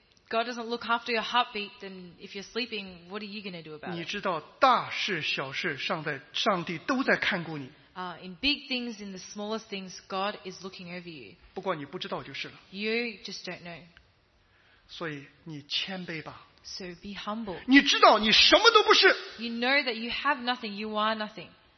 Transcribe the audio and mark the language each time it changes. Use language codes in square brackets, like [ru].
[en] God doesn't look after your heartbeat, then if you're sleeping, what are you going to do about it? [zh] 你知道大事小事上帝都在看顾你。 [en] In big things, in the smallest things, God is looking over you. [zh] 不过你不知道就是了。 [en] You just don't know. [zh] 所以你谦卑吧。 [en] So be humble. [zh] 你知道你什么都不是。 [en] You know that you have nothing, you are nothing.